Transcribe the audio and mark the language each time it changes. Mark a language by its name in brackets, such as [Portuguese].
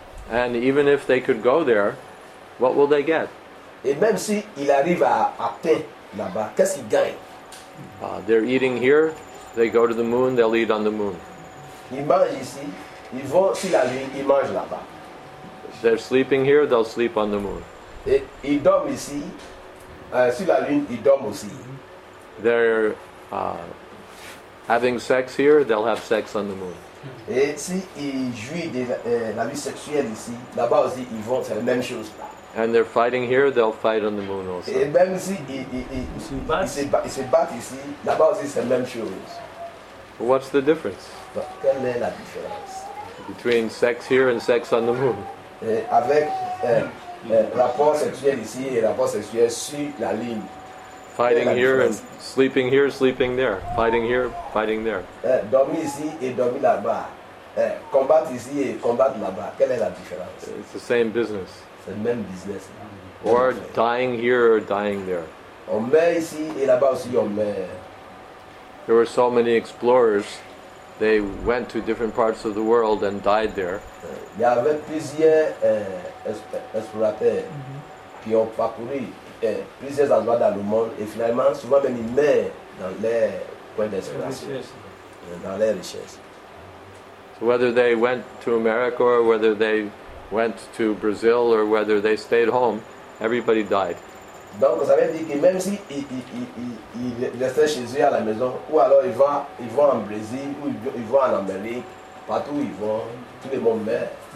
[English] And even if they could go there, what will they get? [French] Et même si ils arrivent à atteindre là-bas, qu'est-ce qu'ils gagnent? [English] They're eating here. They go to the moon, they'll eat on the moon. [French] Ils mangent ici, ils vont sur la lune, ils mangent là-bas. [English] They're sleeping here, they'll sleep on the moon. [French] Et ils dorment ici, sur la lune, ils dorment aussi. [English] They're having sex here, they'll have sex on the moon. [French] Et si ils jouent de la vie sexuelle ici, là-bas aussi, ils vont, c'est la même chose. [English] And they're fighting here, they'll fight on the moon also. [French] Et même si ils se battent ici, là-bas aussi c'est la même chose. [English] But what's the difference? [French] Quelle est la différence? [English] Between sex here and sex on the moon. [French] Avec rapport sexuel ici et rapport sexuel sur la lune. [English] Fighting here and sleeping here, sleeping there. Fighting here, fighting there. [French] Dormir ici et dormir là-bas. Combattre ici et combattre là-bas. Quelle est la différence? [English] It's the same business. [French] C'est le même business. [English] Or dying here or dying there. [French] On meurt ici et là-bas aussi on meurt. [English] There were so many explorers. They went to different parts of the world and died there. [French] Il y avait plusieurs explorateurs qui ont parcouru plusieurs endroits dans le monde et finalement souvent ils meurent dans leur coin d'exploration, dans leur richesse. [English] So whether they went to America or whether they went to Brazil or whether they stayed home, everybody died. [French] Donc vous savez que même si ils restent chez eux à la maison, ou alors ils vont en Brésil, ou ils vont en Amérique, partout ils vont, tout le monde meurt.